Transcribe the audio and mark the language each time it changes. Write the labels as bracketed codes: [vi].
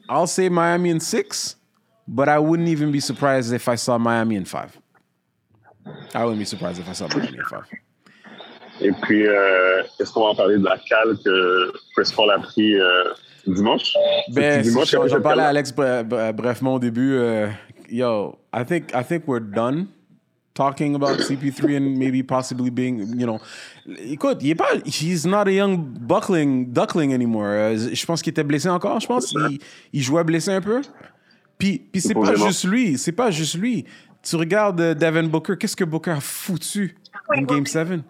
[en] I'll say Miami in 6, but I wouldn't even be surprised if I saw Miami in 5. I wouldn't be surprised if I saw Miami in 5. [fr] Et puis, est-ce qu'on va parler de la cale que Chris Paul a pris dimanche? J'ai parlé à Alex brefement au début... [en] Yo, I think we're done talking about CP3 and maybe possibly being, you know. Écoute, he's not a young duckling anymore. [fr] Je pense qu'il était blessé encore, je pense. Il jouait blessé un peu. Puis c'est pas juste lui, c'est pas juste lui. Tu regardes Devin Booker, qu'est-ce que Booker a foutu en Game 7?